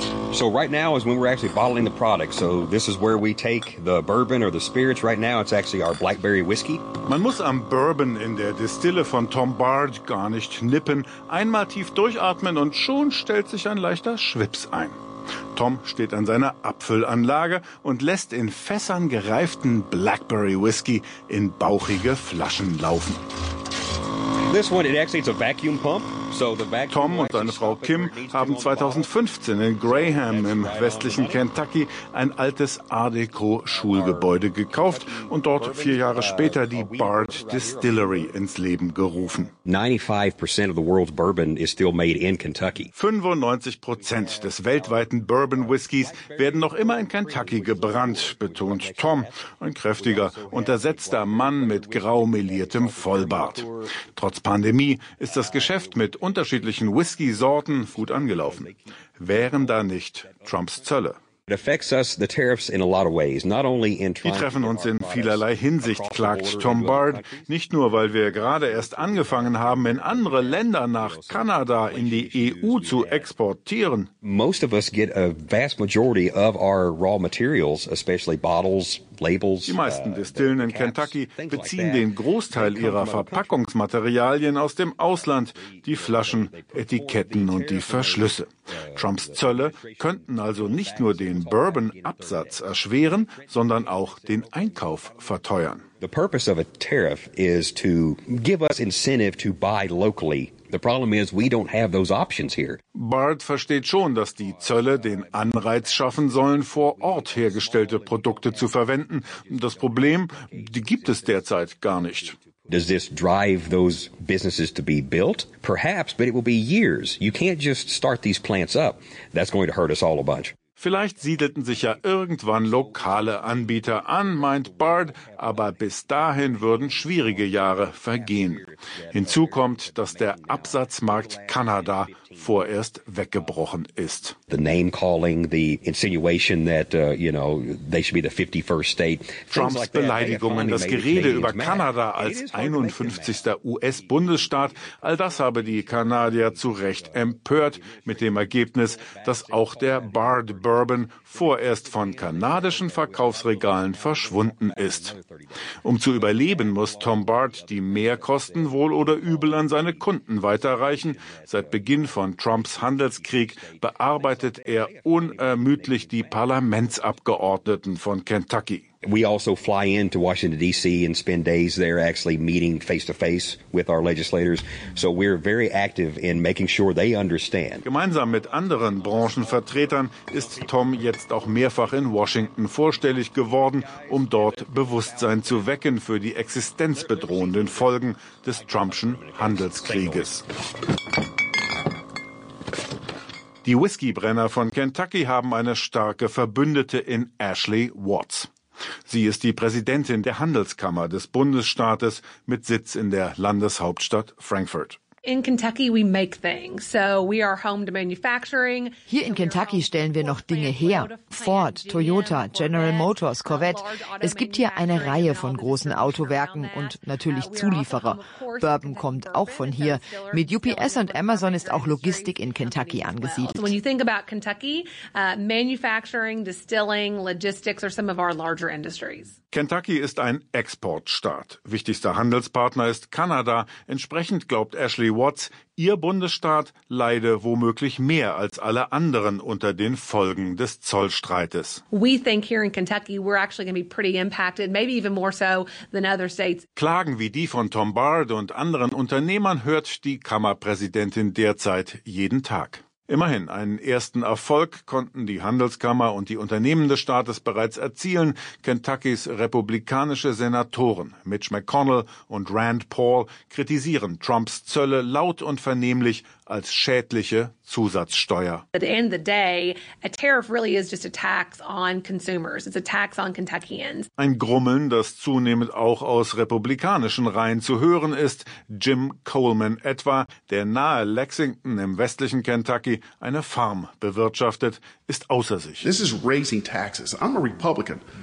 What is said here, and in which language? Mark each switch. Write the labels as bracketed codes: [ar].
[en] So right now is when we're actually bottling the product. So this is where we take the bourbon or the spirits. Right now it's actually our blackberry whiskey. [de] Man muss am Bourbon in der Distille von Tom Barge gar nicht nippen. Einmal tief durchatmen und schon stellt sich ein leichter Schwips ein. Tom steht an seiner Abfüllanlage und lässt in Fässern gereiften Blackberry Whiskey in bauchige Flaschen laufen. [en] This one, it actually, it's a vacuum pump. [de] Tom und seine Frau Kim haben 2015 in Graham im westlichen Kentucky ein altes Art Deco-Schulgebäude gekauft und dort 4 Jahre später die Bard Distillery ins Leben gerufen. [en] 95% of the world's bourbon is still made in Kentucky. [de] 95% des weltweiten Bourbon-Whiskys werden noch immer in Kentucky gebrannt, betont Tom, ein kräftiger, untersetzter Mann mit graumeliertem Vollbart. Trotz Pandemie ist das Geschäft mit unterschiedlichen Whisky-Sorten gut angelaufen. Wären da nicht Trumps Zölle? Die treffen uns in vielerlei Hinsicht, klagt Tom Bard. Nicht nur, weil wir gerade erst angefangen haben, in andere Länder nach Kanada in die EU zu exportieren. [en] Most of us get a vast majority of our raw materials, especially bottles, labels. [de] Die meisten Distillen in Kentucky beziehen den Großteil ihrer Verpackungsmaterialien aus dem Ausland, die Flaschen, Etiketten und die Verschlüsse. Trumps Zölle könnten also nicht nur den Bourbon-Absatz erschweren, sondern auch den Einkauf verteuern. [en] The purpose of a tariff is to give us incentive to buy locally. The problem is we don't have those options here. [de] Bard versteht schon, dass die Zölle den Anreiz schaffen sollen, vor Ort hergestellte Produkte zu verwenden. Das Problem, die gibt es derzeit gar nicht. [en] Does this drive those businesses to be built? Perhaps, but it will be years. You can't just start these plants up. That's going to hurt us all a bunch. [de] Vielleicht siedelten sich ja irgendwann lokale Anbieter an, meint Bard, aber bis dahin würden schwierige Jahre vergehen. Hinzu kommt, dass der Absatzmarkt Kanada vorerst weggebrochen ist. [en] The name calling, the insinuation that, you know, they should be the 51st state. [de] Trumps Beleidigungen, das Gerede über Kanada als 51. US-Bundesstaat, all das habe die Kanadier zu Recht empört, mit dem Ergebnis, dass auch der Bard Bourbon vorerst von kanadischen Verkaufsregalen verschwunden ist. Um zu überleben, muss Tom Bard die Mehrkosten wohl oder übel an seine Kunden weiterreichen. Seit Beginn von Trumps Handelskrieg bearbeitet er unermüdlich die Parlamentsabgeordneten von Kentucky. [en] We also fly into Washington D.C. and spend days there, actually meeting face to face with our legislators. So we're very active in making sure they understand. [de] Gemeinsam mit anderen Branchenvertretern ist Tom jetzt auch mehrfach in Washington vorstellig geworden, um dort Bewusstsein zu wecken für die existenzbedrohenden Folgen des Trumpschen Handelskrieges. Die Whiskybrenner von Kentucky haben eine starke Verbündete in Ashley Watts. Sie ist die Präsidentin der Handelskammer des Bundesstaates mit Sitz in der Landeshauptstadt Frankfurt. [en] In Kentucky we make things, so we are home to manufacturing. [de] Hier in Kentucky stellen wir noch Dinge her. Ford, Toyota, General Motors, Corvette. Es gibt hier eine Reihe von großen Autowerken und natürlich Zulieferer. Bourbon kommt auch von hier. Mit UPS und Amazon ist auch Logistik in Kentucky angesiedelt. [en] When you think about Kentucky, manufacturing, distilling, logistics are some of our larger industries. [de] Kentucky ist ein Exportstaat. Wichtigster Handelspartner ist Kanada. Entsprechend glaubt Ashley Watts, ihr Bundesstaat leide womöglich mehr als alle anderen unter den Folgen des Zollstreites. [en] We think here in Kentucky we're actually going to be pretty impacted, maybe even more so than other states. [de] Klagen wie die von Tom Bard und anderen Unternehmern hört die Kammerpräsidentin derzeit jeden Tag. Immerhin, einen ersten Erfolg konnten die Handelskammer und die Unternehmen des Staates bereits erzielen. Kentuckys republikanische Senatoren Mitch McConnell und Rand Paul kritisieren Trumps Zölle laut und vernehmlich als schädliche Zusatzsteuer. [en] At the end of the day, a tariff really is just a tax on consumers. It's a tax on Kentuckians. [de] Ein Grummeln, das zunehmend auch aus republikanischen Reihen zu hören ist. Jim Coleman etwa, der nahe Lexington im westlichen Kentucky eine Farm bewirtschaftet, ist außer sich. [en] This is raising taxes. I'm a Republican.